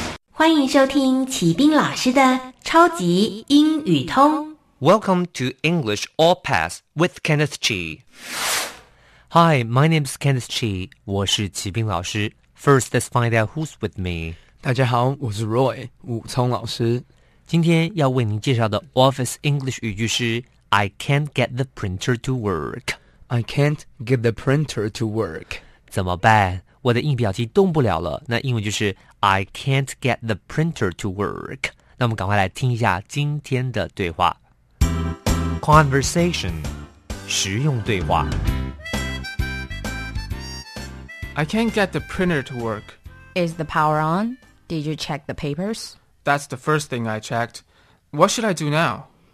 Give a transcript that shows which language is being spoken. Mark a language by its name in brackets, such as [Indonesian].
[Chinese] 欢迎收听启斌老师的超级英语通。 [English] Welcome to English All Pass with Kenneth Chi. Hi, my name is Kenneth Chi. [Chinese] 我是启斌老师。 [English] First, let's find out who's with me. [Chinese] 大家好，我是 Roy, 武聪老师。今天要为您介绍的 Office English 语句是 [English] I can't get the printer to work. I can't get the printer to work. [Chinese] 怎么办？我的印表机动不了了。那英文就是 [English] I can't get the printer to work. [Chinese] 那我们赶快来听一下今天的对话。 Conversation 实用对话 [English] I can't get the printer to work. Is the power on? Did you check the papers? That's the first thing I checked. What should I do now?